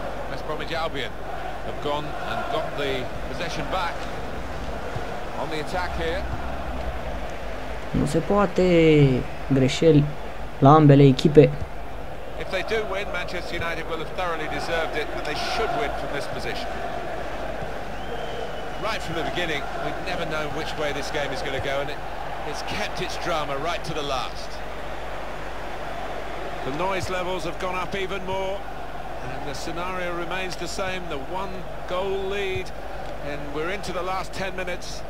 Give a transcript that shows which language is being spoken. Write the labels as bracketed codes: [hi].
[en] West Bromwich Albion have gone and got the possession back. On the attack here. [ro] Nu se poate, greșeli la ambele echipe. [en] If they do win, Manchester United will have thoroughly deserved it, but they should win from this position. Right from the beginning, we've never known which way this game is going to go, and it's kept its drama right to the last. The noise levels have gone up even more, and the scenario remains the same, the one goal lead, and we're into the last 10 minutes.